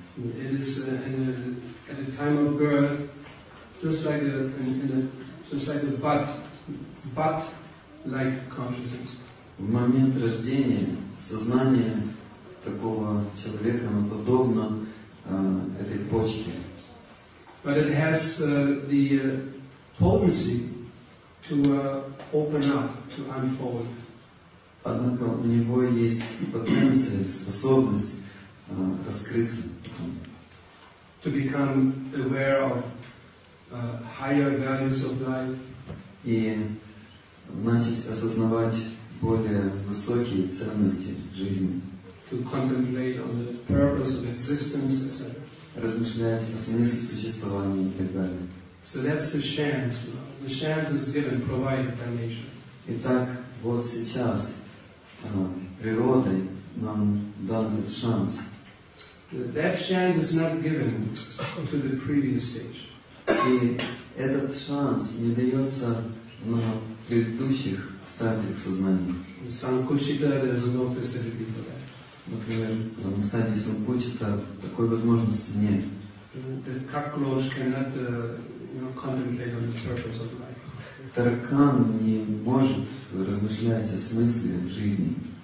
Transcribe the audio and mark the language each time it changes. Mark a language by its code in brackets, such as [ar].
[en] It is at the time of birth, just like a bud like consciousness. [ru] В момент рождения сознание такого человека, оно подобно этой почке. [en] But it has the potency to open up, to unfold. [ru] Однако у него есть потенция, способность раскрыться потом. [en] To become aware of higher values of life. [ru] И начать осознавать более высокие ценности жизни. [en] To contemplate on the purpose of existence, etc. [ru] Размышлять о смысле существования и так далее. [en] So that's the chance. The chance is given, provided by nature. [ru] Итак, вот сейчас природой нам дан этот шанс. [en] That chance is not given to the previous stage. [ru] И этот шанс не дается на предыдущих стадиях сознания. [en] In Sankuchita, there's no facility for that. [ru] Например, на стадии Sankuchita такой возможности нет. [en] The cockroach cannot contemplate on the purpose of life. [ru] Таракан не может размышлять о смысле жизни.